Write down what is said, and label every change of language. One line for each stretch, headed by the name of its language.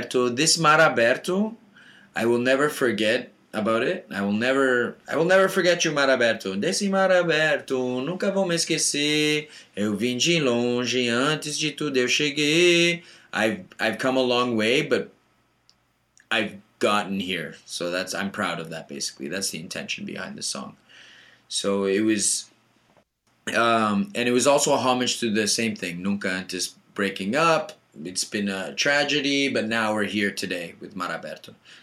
Portuguese: Desse mar aberto,
English: I will never forget about it. I will never forget you, mar aberto.
Portuguese: Desse mar aberto, nunca vou me esquecer. Eu vim de longe, antes de tudo eu cheguei.
English: I've come a long way, but I've gotten here. So that's, I'm proud of that, basically. That's the intention behind the song. So it was, and it was also a homage to the same thing.
Portuguese: Nunca antes
English: breaking up. It's been a tragedy, but now we're here today with Mar Aberto.